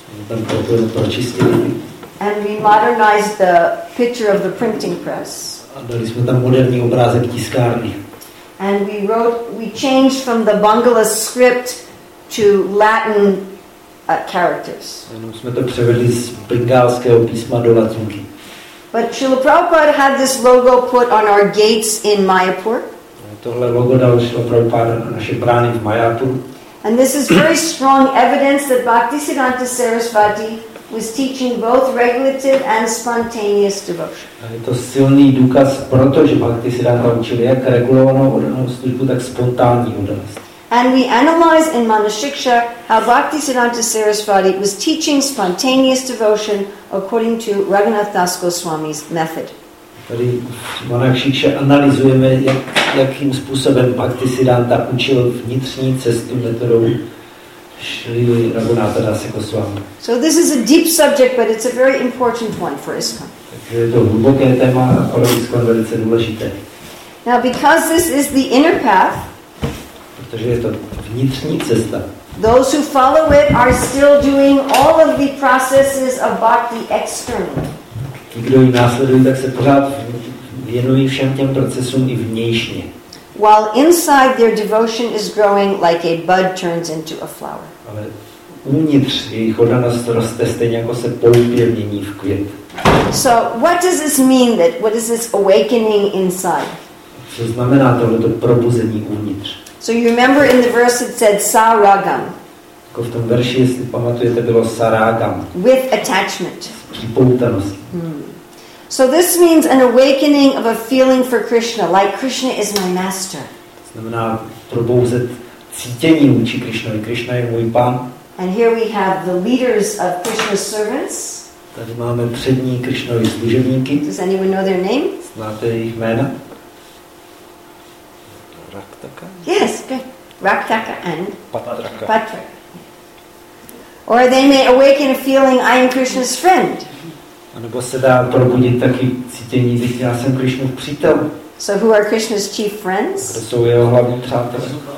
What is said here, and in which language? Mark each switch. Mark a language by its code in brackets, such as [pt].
[en] And we modernized the picture of the printing press. [cs] A dali jsme tam moderní obrázek tiskárny. [en] And we changed from the Bengali script to Latin characters. [cs] Jenom jsme to převedli z bengálského písma do latinky. [en] But Srila Prabhupada had this logo put on our gates in Mayapur. [cs] Tohle logo dal Srila Prabhupada na naše brány v Mayapuru. [en] And this is very strong evidence that Bhaktisiddhanta Sarasvati was teaching both regulative and spontaneous devotion. [cs] A je to silný důkaz, protože Bhaktisiddhanta učil jak regulovanou oddanou službu, tak spontánní oddanost. [en] And we analyze in Manashiksha how Bhaktisiddhanta Sarasvati was teaching spontaneous devotion according to Raghunath Das Goswami's method. [cs] Tady Manashiksha analyzujeme, jakým způsobem Bhaktisiddhanta učil vnitřní cestu metodou Šrily Raghunatha Dasa Goswami. [en] So this is a deep subject, but it's a very important one for ISKCON. [cs] Takže je to hluboké téma, ale ISKCON velice důležité. [en] Now because this is the inner path, [cs] protože je to vnitřní cesta, [en] those who follow it are still doing all of the processes of bhakti externally. [cs] Kdo ji následují, tak se pořád věnují všem těm procesům i vnějšně. [en] While inside their devotion is growing like a bud turns into a flower. [cs] Ale uvnitř jejich oddanost roste stejně jako se polupě mění v květ. [en] So what does this mean, that what is this awakening inside? [cs] Co znamená tohleto probuzení uvnitř? [en] So you remember in the verse it said saragam. [cs] Jako v tom verši, jestli pamatujete, bylo saragam. [en] With attachment. [cs] Připoutanost. [en] So this means an awakening of a feeling for Krishna, like Krishna is my master. [cs] Znamená probouzet cítění vůči Krishnovi. Krishna je můj pán. [en] And here we have the leaders of Krishna's servants. [cs] Tady máme přední Krishnovy služebníky. [en] Does anyone know their name? [cs] Znáte jejich jména? [en] Raktaka. Yes, good. Raktaka and Patraka. Patraka. Or they may awaken a feeling, I am Krishna's friend. [cs] A nebo se dá probudit taky cítění, že já jsem Krishnův přítel. [en] So who are Krishna's chief friends? [cs] Kdo jsou jeho hlavní přátelé?